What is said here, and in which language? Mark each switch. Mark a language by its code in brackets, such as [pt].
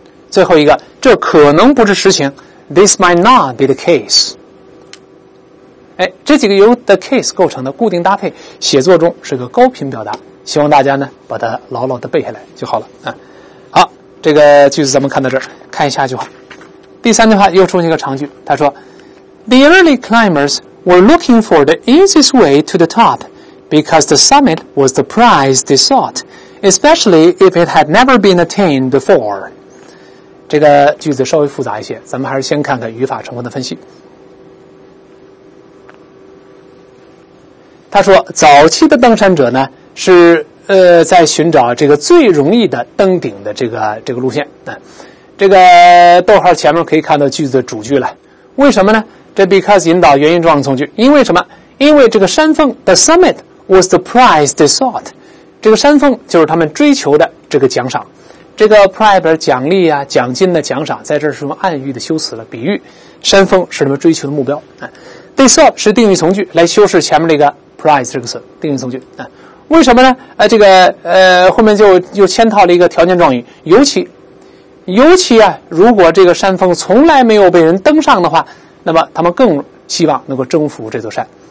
[zh] 最后一个，这可能不是实情。 [en] This might not be the case。 [zh] 哎，这几个由 the case 构成的固定搭配，写作中是个高频表达，希望大家呢把它牢牢的背下来就好了啊。好，这个句子咱们看到这儿，看一下句话。第三句话又出现一个长句，他说 [en] ：“The early climbers were looking for the easiest way to the top, because the summit was the prize they sought, especially if it had never been attained before。” [zh] 这个句子稍微复杂一些，咱们还是先看看语法成分的分析。他说早期的登山者呢是在寻找这个最容易的登顶的这个路线。这个逗号前面可以看到句子的主句了。为什么呢？这 because 引导原因状语从句。因为什么？因为这个山峰 [en] the summit was the prize they sought。 [zh] 这个山峰就是他们追求的这个奖赏。这个 prize 奖励啊奖金的奖赏在这儿是用暗喻的修辞了比喻。山峰是他们追求的目标。 [en] They sought [zh] 是定语从句来修饰前面这个prize 这个词，定语从句。为什么呢？这个后面就又嵌套了一个条件状语，尤其啊，如果这个山峰从来没有被人登上的话，那么他们更希望能够征服这座山。